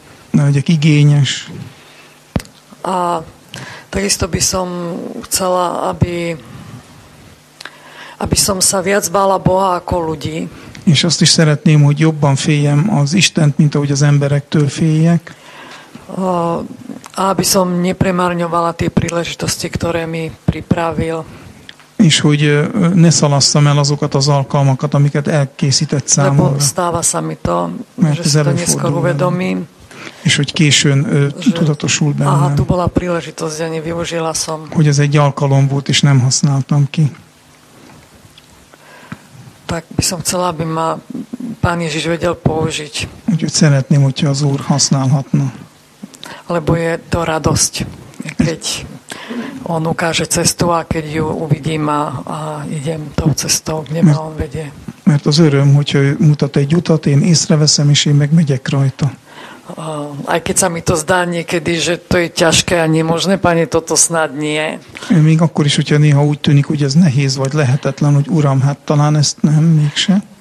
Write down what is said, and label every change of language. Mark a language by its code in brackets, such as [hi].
[hu] Ne vagyok igényes. [sk] A... Takisto by som chcela, aby som sa viac bála Boha ako ľudí. [hu] És azt is szeretném, hogy jobban féljem az Istent, mint ahogy az emberektől féljek. [sk] Aby som nepremárňovala tie príležitosti, ktoré mi pripravil. [hu] És hogy ne szalasszam el azokat az alkalmakat, amiket elkészített számomra. [sk] Lebo stáva sa mi to, mert že si to neskôr uvedomím. [hu] És hogy későn tudatosul bennem. [sk] Aha, tu bola príležitosť, ja nevyužila som. [hu] Hogy ez egy alkalom volt, és nem használtam ki. [sk] Tak by som chcela, aby ma Pán Ježiš vedel použiť. [hu] Úgyhogy szeretném, hogyha az Úr használhatna. [sk] Lebo je to radosť, keď on ukáže cestu, a keď ju uvidím a idem tou cestou, kde ma on vedie. [hu] Mert az öröm, hogyha mutat egy utat, én észreveszem, és én megmegyek rajta. [sk] Aj keď sa mi to zdá niekedy, že to je ťažké a nemožné, Pane, toto snad nie. [hu] Még akkor is, hogyha néha úgy tűnik, hogy ez nehéz vagy lehetetlen, hogy Uram, hát talán ezt nem, mégse.